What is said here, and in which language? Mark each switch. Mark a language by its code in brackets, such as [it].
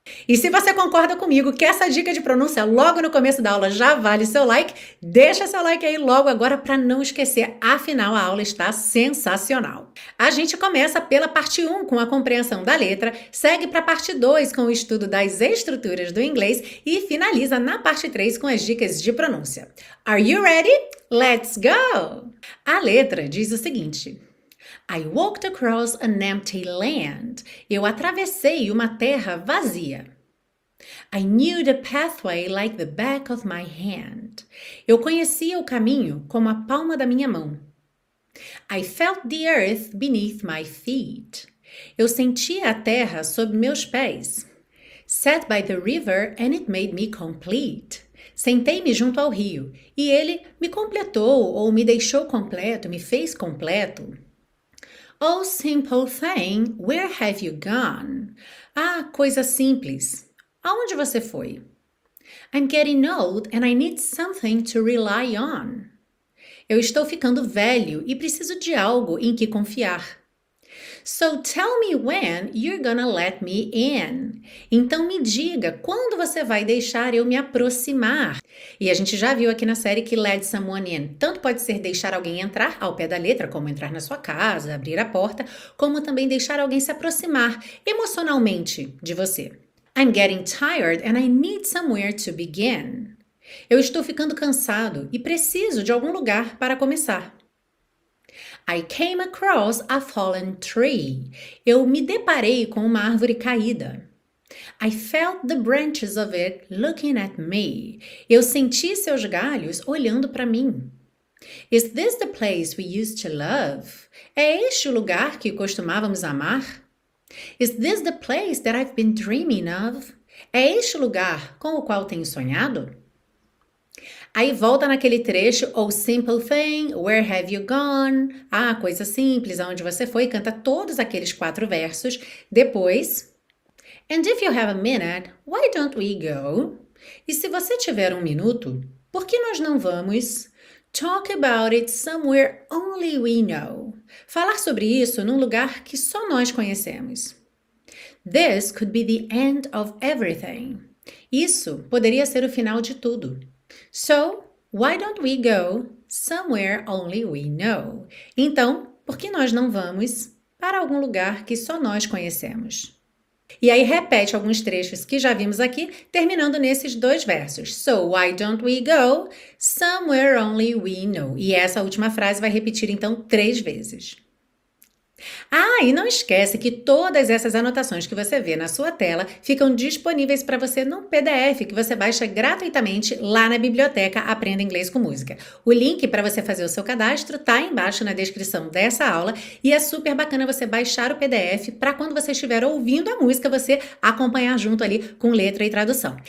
[pt] E se você concorda comigo que essa dica de pronúncia logo no começo da aula já vale seu like, deixa seu like aí logo agora para não esquecer, afinal a aula está sensacional. A gente começa pela parte 1 com a compreensão da letra, segue para a parte 2 com o estudo das estruturas do inglês e finaliza na parte 3 com as dicas de pronúncia. [en] Are you ready? Let's go! [pt] A letra diz o seguinte. [en] I walked across an empty land. [pt] Eu atravessei uma terra vazia. [en] I knew the pathway like the back of my hand. [pt] Eu conhecia o caminho como a palma da minha mão. [en] I felt the earth beneath my feet. [pt] Eu sentia a terra sob meus pés. [en] Sat by the river and it made me complete. [pt] Sentei-me junto ao rio e ele me completou ou me deixou completo, me fez completo. [en] Oh, simple thing, where have you gone? [pt] Ah, coisa simples. Aonde você foi? [en] I'm getting old and I need something to rely on. [pt] Eu estou ficando velho e preciso de algo em que confiar. [en] So tell me when you're gonna let me in. [pt] Então me diga quando você vai deixar eu me aproximar. E a gente já viu aqui na série que [en] let someone in [pt] tanto pode ser deixar alguém entrar ao pé da letra, como entrar na sua casa, abrir a porta, como também deixar alguém se aproximar emocionalmente de você. [en] I'm getting tired and I need somewhere to begin. [pt] Eu estou ficando cansado e preciso de algum lugar para começar. [en] I came across a fallen tree. [pt] Eu me deparei com uma árvore caída. [en] I felt the branches of it looking at me. [pt] Eu senti seus galhos olhando para mim. [en] Is this the place we used to love? [pt] É este o lugar que costumávamos amar? [en] Is this the place that I've been dreaming of? [pt] É este o lugar com o qual tenho sonhado? Aí volta naquele trecho, [en] oh simple thing, where have you gone? [pt] Ah, coisa simples, aonde você foi? Canta todos aqueles quatro versos. Depois, [en] and if you have a minute, why don't we go? [pt] E se você tiver um minuto, por que nós não vamos? [en] Talk about it somewhere only we know. [pt] Falar sobre isso num lugar que só nós conhecemos. [en] This could be the end of everything. [pt] Isso poderia ser o final de tudo. [en] So, why don't we go somewhere only we know? [pt] Então, por que nós não vamos para algum lugar que só nós conhecemos? E aí repete alguns trechos que já vimos aqui, terminando nesses dois versos. [en] So, why don't we go somewhere only we know? [pt] E essa última frase vai repetir então três vezes. Ah, e não esquece que todas essas anotações que você vê na sua tela ficam disponíveis para você num PDF que você baixa gratuitamente lá na biblioteca Aprenda Inglês com Música. O link para você fazer o seu cadastro está embaixo na descrição dessa aula e é super bacana você baixar o PDF para quando você estiver ouvindo a música você acompanhar junto ali com letra e tradução.